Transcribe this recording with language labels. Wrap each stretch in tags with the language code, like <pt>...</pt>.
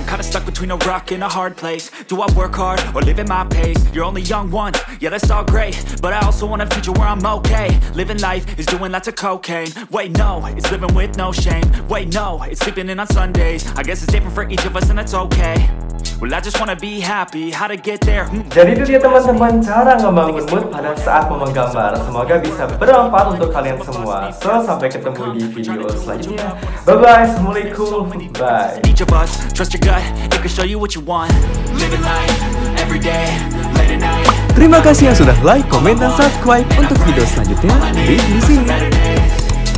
<en>Stuck between a rock and a hard place. Do I work hard or live at my pace? You're only young one, yeah that's all great. But I also want a future where I'm okay. Living life is doing lots of cocaine. Wait no, it's living with no shame. Wait no, it's sleeping in on Sundays. I guess it's different for each of us and that's okay. Well I just wanna be happy. How to get there?</en> <id>Jadi itu dia teman-teman, cara ngebangun mood pada saat menggambar. Semoga bisa bermanfaat untuk kalian semua. So, sampai ketemu di video selanjutnya.</id> <en>Bye-bye, assalamualaikum, bye. Each of us, trust your gut, it can show you what you want. Living life, every day, late at night.</en> <id>Terima kasih yang sudah like, comment, dan subscribe untuk video selanjutnya. Di sini.</id>